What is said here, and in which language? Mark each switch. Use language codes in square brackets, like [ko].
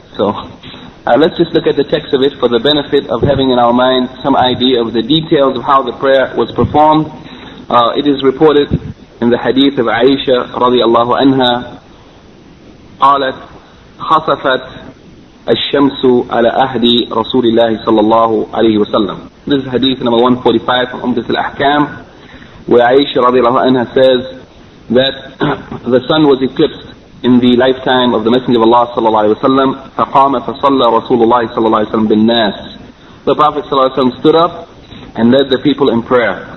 [en] So let's just look at the text of it for the benefit of having in our mind some idea of the details of how the prayer was performed. It is reported in the hadith of Aisha radiallahu anha, [ar] قالت خصفت الشمس على أهل رسول الله صلى الله عليه وسلم. [en] This is hadith number 145 from Umdat al-Ahkam, where Aisha radiallahu anha says that the sun was eclipsed in the lifetime of the Messenger of Allah sallallahu alayhi wa sallam. [ar] فَقَامَ فَصَلَّى رَسُولُ اللَّهِ صَلَّى اللَّهِ وَسَلَّمْ بِالنَّاسِ. [en] The Prophet sallallahu alayhi wa sallam stood up and led the people in prayer.